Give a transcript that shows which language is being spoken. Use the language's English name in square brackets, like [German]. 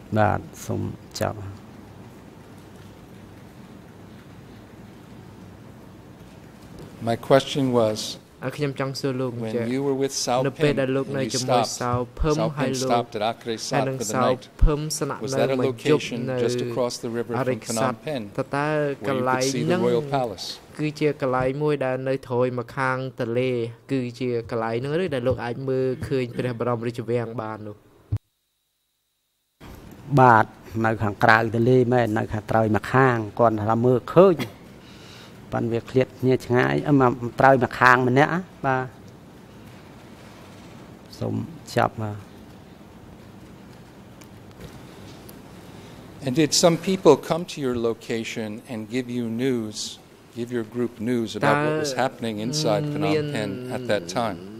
[Khmer] ដល់រៃស័តមានតាន់បានឆ្លងទេបាទគាត់មកដល់កន្លែងផ្ទះចំការហ្នឹងនៅហ្នឹងហ្មងបាទសូមចាប់ [English] My question was When you were with Sao Pim, and you stopped, Sao Pim stopped at Akre Sat for the night, was that a location just across the river from Phnom Penh, where you could see the royal palace? [Khmer] គឺជាកន្លែងមួយដែលនៅត្រើយមកខាងទន្លេគឺជាកន្លែងនោះដែលលោកអាចមើលឃើញព្រះបរមរាជវាំងបាននោះបាទនៅខាងក្រៅទន្លេមែននៅខាងត្រើយមកខាងគាត់ថាមើលឃើញ [English] And did some people come to your location and give you news, give your group news about what was happening inside Phnom Penh at that time?